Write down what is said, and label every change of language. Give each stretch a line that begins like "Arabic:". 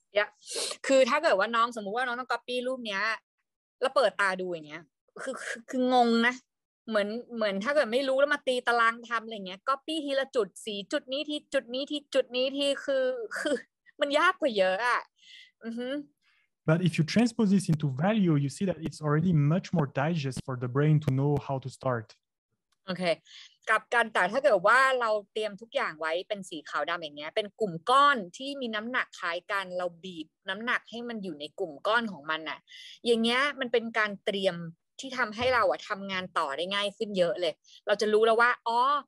Thai: Yeah. คือถ้าเกิดว่าน้องสมมุติว่าน้องต้องก๊อปปี้รูปเนี้ยแล้วเปิดตาดูอย่างเงี้ยคืองงนะเหมือนถ้าเกิดไม่รู้แล้วมาตีตารางทําอะไรเงี้ยก๊อปปี้ทีละจุดสีจุดนี้ที่จุดนี้ที่จุดนี้ที่คือมันยากกว่าเยอะอ่ะ
English: But if you transpose this into value, you see that it's already much more digest for the brain to know how to start. Okay.
Thai: กับการแต่ถ้าเกิดว่าเราเตรียมทุกอย่างไว้เป็นสีขาวดำอย่างเงี้ยเป็นกลุ่มก้อนที่มีน้ำหนักคล้ายกันเราบีบน้ำหนักให้มันอยู่ในกลุ่มก้อนของมันน่ะอย่างเงี้ยมันเป็นการเตรียมที่ทำให้เราอะทำงานต่อได้ง่ายขึ้นเยอะเลยเราจะรู้แล้วว่าอ๋อ